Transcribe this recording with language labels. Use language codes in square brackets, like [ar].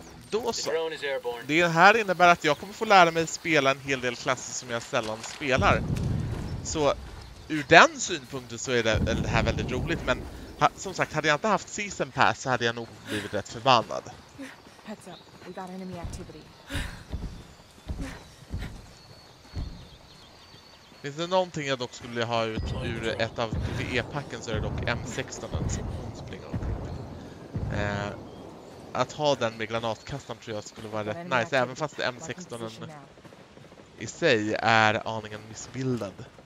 [sv] Då så. Det här innebär att jag kommer få lära mig spela en hel del klasser som jag sällan spelar. Så ur den synpunkten så är det här väldigt roligt. Men som sagt, hade jag inte haft season pass så hade jag nog blivit rätt förbannad. [en] Heads up, we got enemy activity. [sv] Finns det någonting jag dock skulle ha ut ur ett av PvE-packen så är det dock M16 som hon springer upp. Att ha den med granatkastan tror jag skulle vara rätt nice, även fast M16 i sig är aningen missbildad.